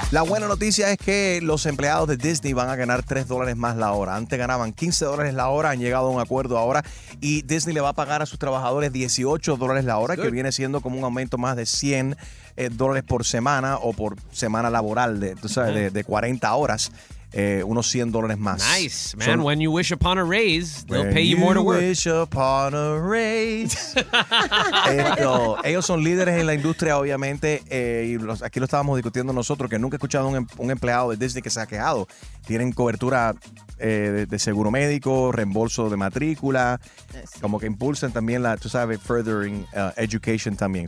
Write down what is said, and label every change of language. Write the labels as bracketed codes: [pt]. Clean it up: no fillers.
[es] La buena noticia es que los empleados de Disney van a ganar $3 más la hora. Antes ganaban $15 la hora, han llegado a un acuerdo ahora. Y Disney le va a pagar a sus trabajadores $18 la hora, que viene siendo como un aumento más de $100 por semana o por semana laboral de 40 horas, unos $100 más. [en] Nice, man. When you wish upon a raise, they'll pay you more to work. When you wish upon a raise. [es] ellos son líderes en la industria, obviamente, aquí lo estábamos discutiendo nosotros, que nunca he escuchado un empleado de Disney que se ha quejado. Tienen cobertura de seguro médico, reembolso de matrícula, como que impulsan también [en] furthering education [es] también.